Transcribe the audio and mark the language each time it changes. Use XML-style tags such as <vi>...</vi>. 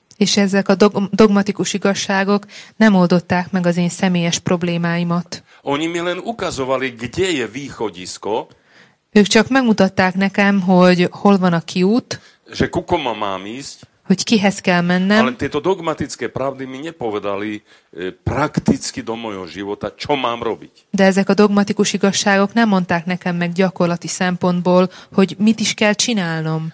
<hu>És ezek a dogmatikus igazságok nem oldották meg az én személyes problémáimat.</hu> <sk>Oni mi len ukazovali, kde je východisko.</sk> <hu>Ők csak megmutatták nekem, hogy hol van a kiút.</hu> <sk>Že ku komu mám ísť?</sk> <hu>hogy kihez kell mennem.</hu> <sk>Ale tieto dogmatické pravdy mi nepovedali prakticky do mojho života, čo mám robiť.</sk> <hu>De ezek a dogmatikus igazságok nem mondták nekem meg gyakorlati szempontból, hogy mit is kell csinálnom.</hu>